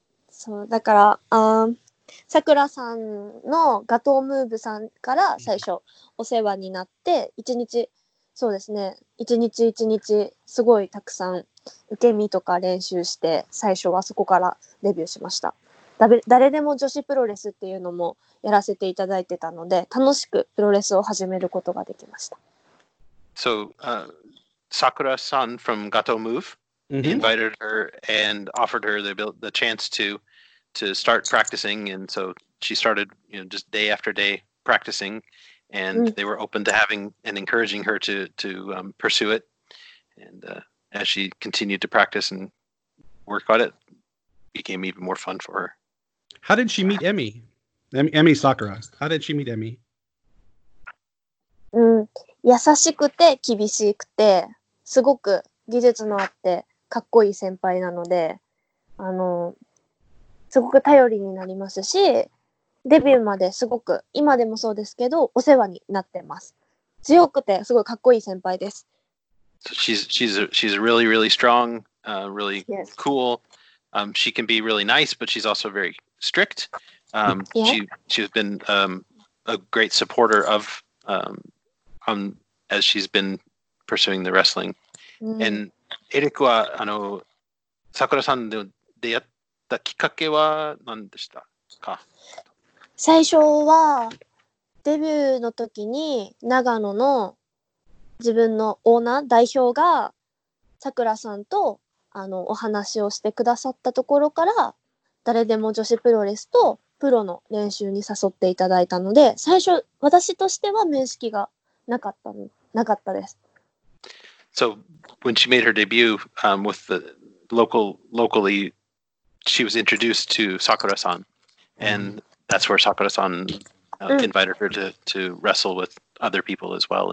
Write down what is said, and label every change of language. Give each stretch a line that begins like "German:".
Japanese: So, だから, Sakura-san のガトームーブさんから最初お世話になって、一日、そうですね、一日一日すごいたくさん受け身とか練習して、最初はそこからデビューしました。誰でも女子プロレスっていうのもやらせていただいてたので、楽しくプロレスを始めることができました。
English: So, Sakura-san from Gato Move invited her and offered her the chance to start practicing, and so she started, you know, just day after day practicing, and they were open to having and encouraging her to pursue it, and as she continued to practice and work on it, became even more fun for her. How did she meet Emmy? Emmy Sakura. How did she meet Emmy?
Japanese: 優しくて厳しくてすごく技術のあってかっこいい先輩なので、あの。すごく頼りになりますし、デビューまですごく今でもそうですけどお世話になってます。強くてすごいかっこいい先輩です。
English: So、she's really really strong, really yes. cool. She can be really nice, but she's also very strict. Yeah. She's been a great supporter of as she's been pursuing the wrestling.
Japanese: And エリクはあの桜さんでやっきっかけは何でしたか？最初はデビューの時に長野の自分のオーナー代表がさくらさんとあのお話をしてくださったところから誰でも女子プロレスとプロの練習に誘っていただいたので最初私としては面識がなかったです。
English: So when she made her debut, with the locally she was introduced to Sakura-san, and that's where Sakura-san invited her to wrestle with other people as well.